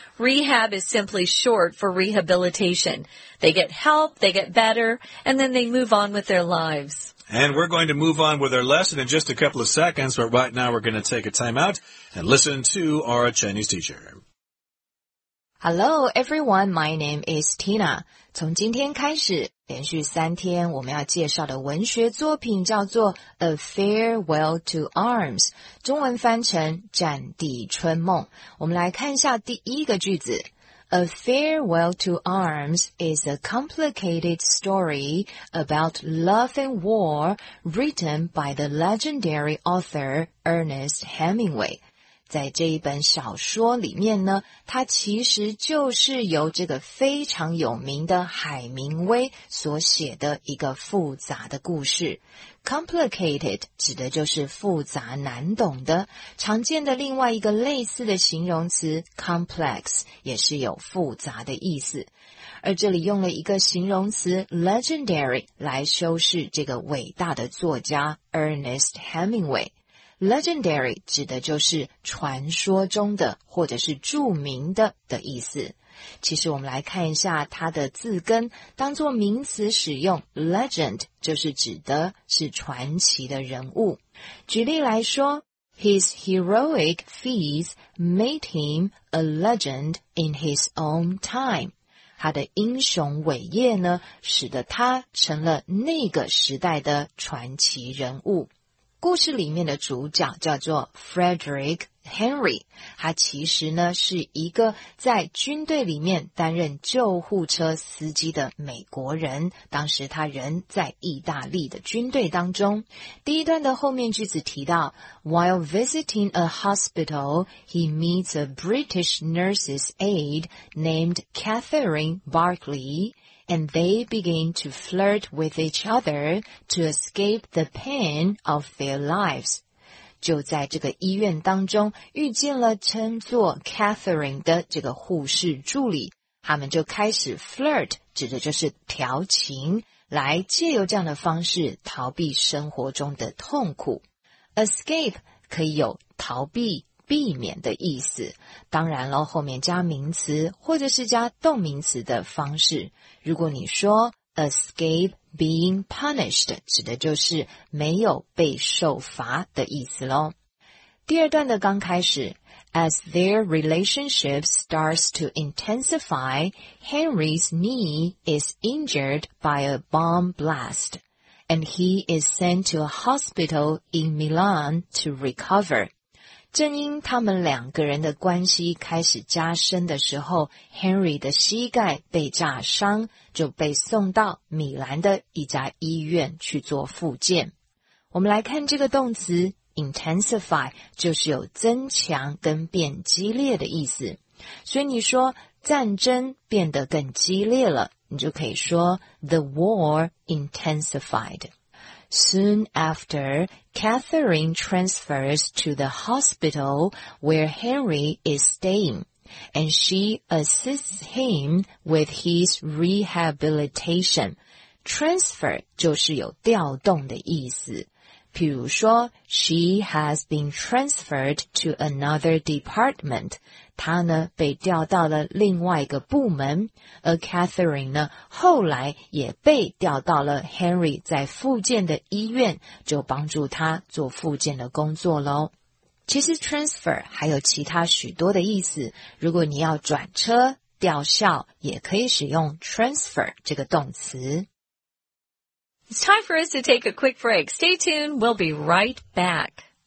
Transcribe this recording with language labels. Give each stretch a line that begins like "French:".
English: Rehab is simply short for rehabilitation. They get help, they get better, and then they move on with their lives. And we're going to move on with our lesson in just a couple of seconds, but right now we're going to take a time out and listen to our Chinese teacher. Hello, everyone. My name is Tina.
Chinese: 从今天开始，连续三天我们要介绍的文学作品叫做 A Farewell to Arms, 中文翻成战地春梦。我们来看一下第一个句子。
English: A Farewell to Arms is a complicated story about love and war written by the legendary author Ernest Hemingway.
Chinese: 在这一本小说里面呢，它其实就是由这个非常有名的海明威所写的一个复杂的故事。 Complicated 指的就是复杂难懂的，常见的另外一个类似的形容词 complex 也是有复杂的意思。而这里用了一个形容词 legendary 来修饰这个伟大的作家 Ernest Hemingway。 Legendary 指的就是传说中的或者是著名的的意思。其实我们来看一下它的字根，当作名词使用 legend 就是指的是传奇的人物。举例来说，
English: His heroic feats made him a legend in his own time.
Chinese: 他的英雄伟业呢，使得他成了那个时代的传奇人物。故事里面的主角叫做 Frederick Henry, 他其实呢是一个在军队里面担任救护车司机的美国人，当时他人在意大利的军队当中。第一段的后面句子提到
English: While visiting a hospital, he meets a British nurse's aide named Catherine Barclay,And they begin to flirt with each other to escape the pain of their lives.
Chinese: 就在这个医院当中遇见了称作 Catherine 的这个护士助理，他们就开始 flirt, 指的就是调情，来借由这样的方式逃避生活中的痛苦。 Escape 可以有逃避、避免的意思，当然了，后面加名词或者是加动名词的方式。如果你说
English: escape being punished,
Chinese: 指的就是没有被受罚的意思咯。第二段的刚开始，
English: As their relationship starts to intensify, Henry's knee is injured by a bomb blast, and he is sent to a hospital in Milan to recover.
Chinese: 正因他们两个人的关系开始加深的时候， Henry 的膝盖被炸伤，就被送到米兰的一家医院去做复健。我们来看这个动词 intensify， 就是有增强跟变激烈的意思。所以你说战争变得更激烈了，你就可以说
English: the war intensified。 Soon after, Catherine transfers to the hospital where Henry is staying, and she assists him with his rehabilitation.
Chinese: Transfer 就是有调动的意思。譬如说
English: ,she has been transferred to another department.
Chinese: 她呢被调到了另外一个部门，而 Catherine 呢后来也被调到了 Henry 在复健的医院，就帮助他做复健的工作咯。其实 transfer 还有其他许多的意思，如果你要转车调校也可以使用 transfer 这个动词。
English: It's time for us to take a quick break. Stay tuned. We'll be right back.